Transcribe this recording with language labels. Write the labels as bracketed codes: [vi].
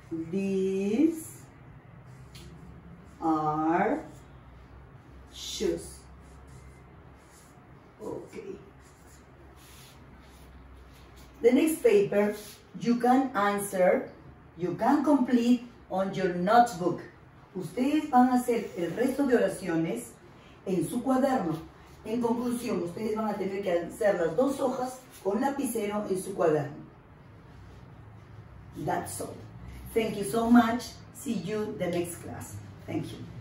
[en] These are shoes. Okay. The next paper, you can answer, you can complete on your notebook. [es] Ustedes van a hacer el resto de oraciones en su cuaderno. En conclusión, ustedes van a tener que hacer las dos hojas con lapicero en su cuaderno. [en] That's all. Thank you so much. See you the next class. Thank you.